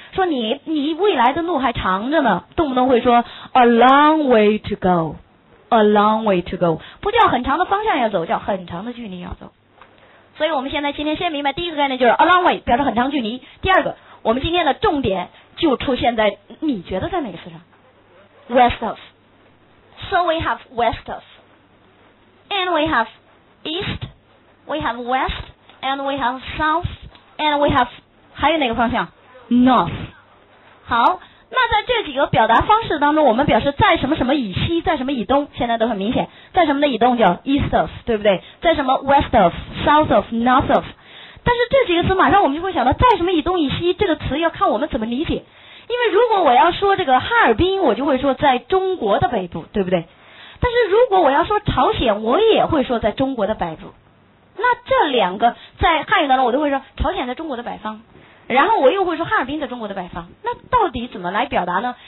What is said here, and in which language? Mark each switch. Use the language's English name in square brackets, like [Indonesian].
[Chinese] 说你未来的路还长着呢，动不动会说 [English] a long way to goA long way to go， [Chinese] 不叫很长的方向要走，叫很长的距离要走。所以我们现在今天先明白第一个概念，就是 [English] a long way [Chinese] 表示很长距离。第二个，我们今天的重点就出现在你觉得在哪个词上， west of。 [English] So we have west of， and we have east， we have west， and we have south， and we have [Chinese] 还有哪个方向， [English] north。 [Chinese] 好，那在这几个表达方式当中，我们表示在什么什么以西，在什么以东，现在都很明显，在什么的以东叫 east of， 对不对？在什么 west of， south of， north of。但是这几个词马上我们就会想到，在什么以东以西这个词要看我们怎么理解。因为如果我要说这个哈尔滨，我就会说在中国的北部，对不对？但是如果我要说朝鲜，我也会说在中国的北部。那这两个在汉语当中，我都会说朝鲜在中国的北方，然后我又会说哈尔滨在中国的北方，那到底怎么来表达呢？